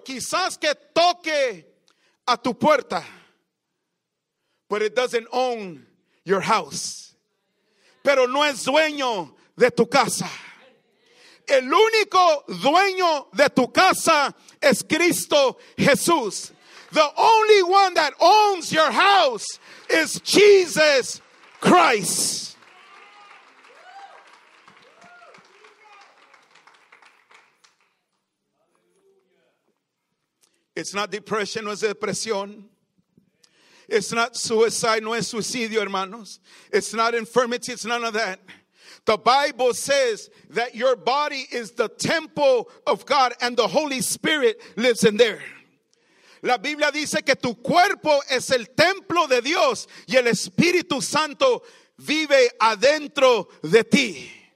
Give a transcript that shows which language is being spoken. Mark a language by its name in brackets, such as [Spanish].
[Spanish] Quizás que toque a tu puerta, [English] but it doesn't own your house. [Spanish] Pero no es dueño de tu casa. El único dueño de tu casa es Cristo Jesús. [English] The only one that owns your house is Jesus Christ. It's not depression, [Spanish] no es depresión. [English] It's not suicide, [Spanish] no es suicidio, hermanos. [English] It's not infirmity, it's none of that. The Bible says that your body is the temple of God and the Holy Spirit lives in there. [Spanish] La Biblia dice que tu cuerpo es el templo de Dios y el Espíritu Santo vive adentro de ti.